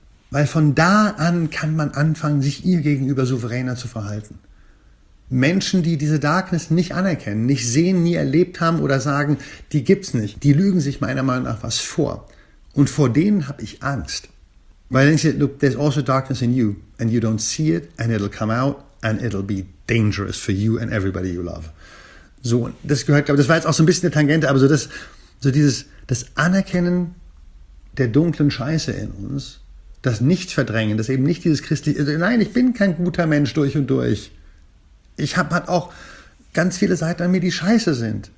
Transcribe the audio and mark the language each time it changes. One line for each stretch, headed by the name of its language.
German: Weil von da an kann man anfangen, sich ihr gegenüber souveräner zu verhalten. Menschen, die diese Darkness nicht anerkennen, nicht sehen, nie erlebt haben oder sagen, die gibt's nicht, die lügen sich meiner Meinung nach was vor. Und vor denen habe ich Angst. Weil dann denkst du,
English: look, there's also darkness in you and you don't see it and it'll come out and it'll be dangerous for you and everybody you love.
German: So, das gehört, glaube ich, das war jetzt auch so ein bisschen eine Tangente, aber das Anerkennen der dunklen Scheiße in uns, das Nicht-Verdrängen, das eben nicht dieses christliche, also nein, ich bin kein guter Mensch durch und durch. Ich habe halt auch ganz viele Seiten an mir, die scheiße sind.